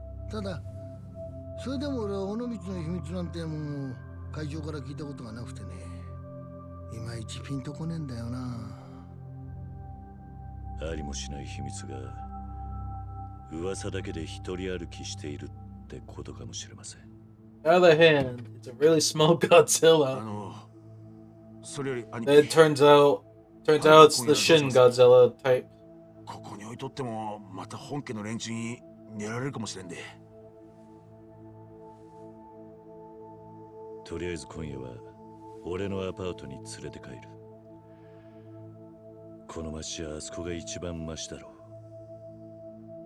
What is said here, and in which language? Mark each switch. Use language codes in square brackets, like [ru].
[ja] ただ、それでも俺は尾道の秘密なんてもう会長から聞いたことがなくてね、いまいちピンとこねえんだよな。ありもしない秘密が噂だけで一人歩きしているってことかもしれません。 [en] On the other hand, it's a really small Godzilla. [ja] あの、それより兄貴。 [en] It turns out it's the Shin Godzilla type. [ja] ここに置いとってもまた本家の連中に狙われるかもしれんで。とりあえず今夜は俺のアパートに連れて帰る。この町はあそこが一番マシだろう。